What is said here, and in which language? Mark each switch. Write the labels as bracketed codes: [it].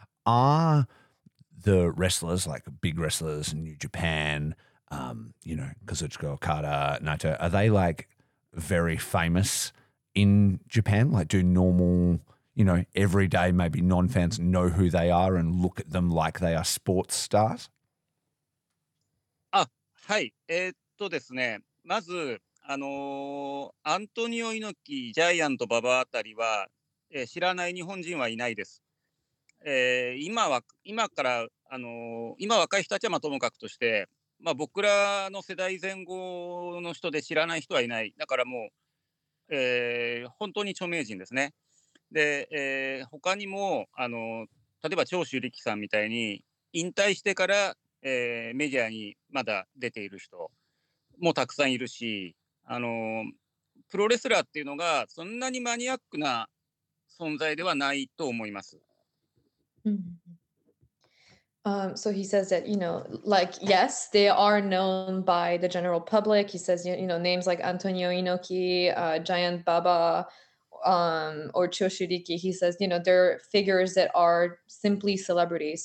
[en] Are the wrestlers, like big wrestlers in New Japan, you know, Kazuchika Okada, Naito, are they like very famous in Japan? Like, do normal, you know, every day, maybe non-fans know who they are and look at them like they are sports stars? [ja] あ、はい。ですね、まず、アントニオ猪木、ジャイアント、ババあたりは、知らない日本人はいないです。今は、今から、今若い人たちはまともかくとして、まあ、僕らの世代前後の人で知らない人はいない。だからもう、本当に著名人ですね。で、他にも例えば長州力さんみたいに引退してから、メディアにまだ出ている人もたくさんいるし、プロレスラーっていうのがそんなにマニアックな存在ではないと思います。 [en] So he says that, you know, like, yes, they are known by the general public. He says, you know, names like Antonio Inoki, Giant Baba, or Choshuriki, he says, you know, they're figures that are simply celebrities.